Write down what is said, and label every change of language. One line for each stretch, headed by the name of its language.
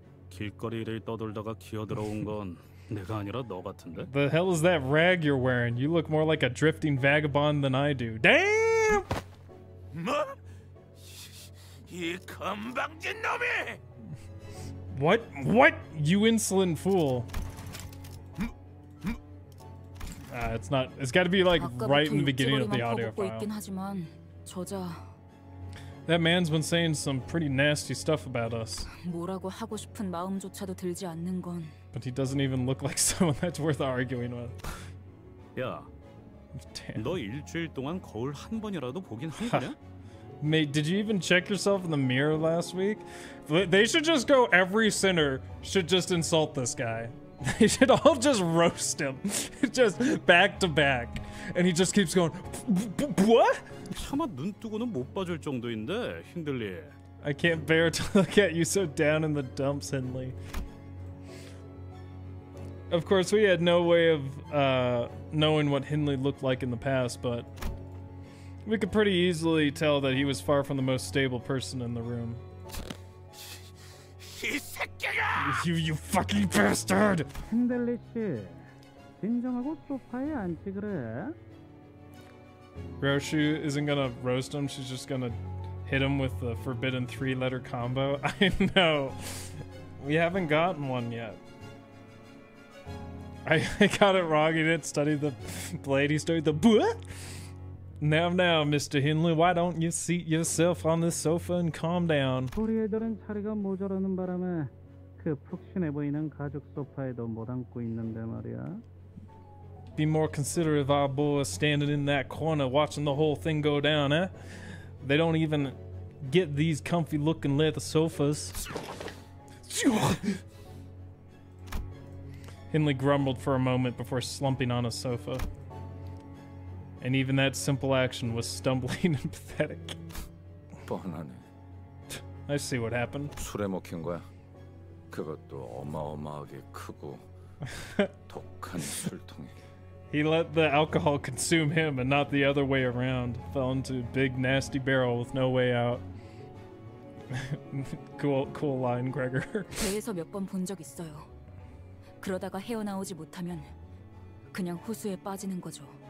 Korean: 길거리를 떠돌다가 기어들어온 건 내가 아니라 너 같은데.
English: The hell is that rag you're wearing? You look more like a drifting vagabond than I do. Damn!
Korean: 뭐? 이 건방진 놈이!
English: What? What? You insolent fool! It's not. It's got to be like right in the beginning of the audio file.
Korean: 하지만, 저자...
English: That man's been saying some pretty nasty stuff about us.
Korean: 뭐라고 하고 싶은 마음조차도 들지 않는 건.
English: But he doesn't even look like someone that's worth arguing with.
Korean: 야,
English: Damn.
Korean: 너 일주일 동안 거울 한 번이라도 보긴 한 거냐?
English: Mate, did you even check yourself in the mirror last week? They should just go. Every sinner should just insult this guy. They should all just roast him, just back to back, and he just keeps going. What?
Korean: 차마 눈 뜨고는 못 봐줄 정도인데, 힌들리.
English: I can't bear to look at you so down in the dumps, Hindley. Of course, we had no way of knowing what Hindley looked like in the past, but we could pretty easily tell that he was far from the most stable person in the room. You fucking bastard!
Korean: Hindley씨, 진정하고 소파에 앉지 그래?
English: Roshu isn't gonna roast him, she's just gonna hit him with the forbidden three-letter combo. I know. We haven't gotten one yet. I got it wrong, he didn't study the blade, he studied the buh! Now, now, Mr. Hindley, why don't you seat yourself on this sofa and calm down?
Korean: 우리 애들은 자리가 모자라는 바람에 그 푹신해 보이는 가죽 소파에도 못 앉고 있는데 말이야.
English: Be more considerate of our boys standing in that corner watching the whole thing go down, eh? They don't even get these comfy looking leather sofas. Hindley grumbled for a moment before slumping on a sofa. And even that simple action was stumbling and pathetic.
Korean: 뻔하네.
English: I see what happened.
Korean: 술에 먹힌 거야. 그것도 어마어마하게 크고 독한 술통에.
English: He let the alcohol consume him and not the other way around. Fell into a big nasty barrel with no way out. cool line, Gregor.
Korean: 배에서 몇 번 본 적 있어요. 그러다가 헤어나오지 못하면 그냥 호수에 빠지는 거죠.